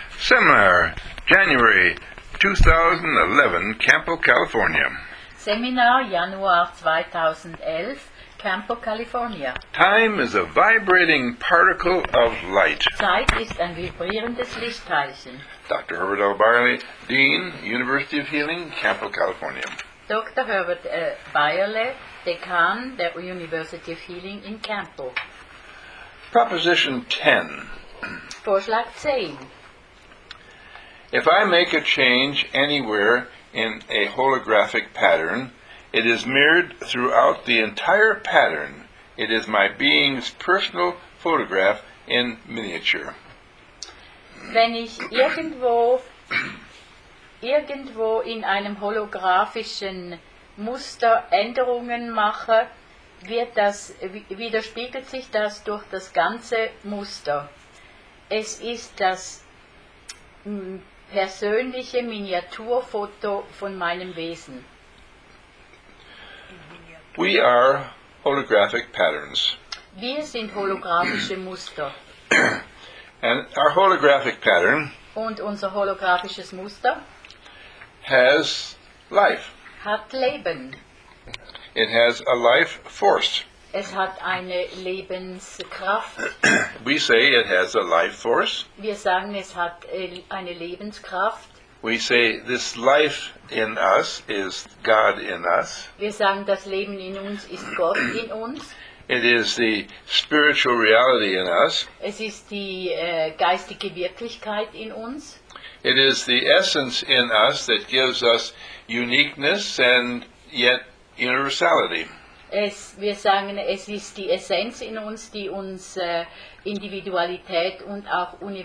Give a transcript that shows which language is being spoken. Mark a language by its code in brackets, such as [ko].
[en] seminar, January 2011, Campo, California. Seminar, January 2011, Campo, California. Time is a vibrating particle of light. [de] Zeit ist ein vibrierendes Lichtteilchen. [en] Dr. Herbert L. Byerly, Dean, University of Healing, Campo, California. [de] Dr. Herbert Byerly, Dekan der University of Healing in Campo. [en] Proposition 10. [de] Vorschlag 10. [en] If I make a change anywhere in a holographic pattern, it is mirrored throughout the entire pattern. It is my being's personal photograph in miniature. [de] Wenn ich irgendwo in einem holographischen Muster Änderungen mache, widerspiegelt sich das durch das ganze Muster. Es ist das persönliche Miniaturfoto von meinem Wesen. [en] We are holographic patterns. [de] Wir sind holographische Muster. [en] And our holographic pattern [de] und unser holographisches Muster [en] has life. [de] Hat Leben. [en] It has a life force. [de] Es hat eine Lebenskraft. [en] We say it has a life force. [de] Wir sagen, es hat eine Lebenskraft. [en] We say this life in us is God in us. [de] Wir sagen, das Leben in uns ist Gott in uns. [en] It is the spiritual reality in us. [de] Es ist die geistige Wirklichkeit in uns. [en] It is the essence in us that gives us uniqueness and yet universality. [de] Wir sagen, es ist die Essenz in uns, die uns Individualität und auch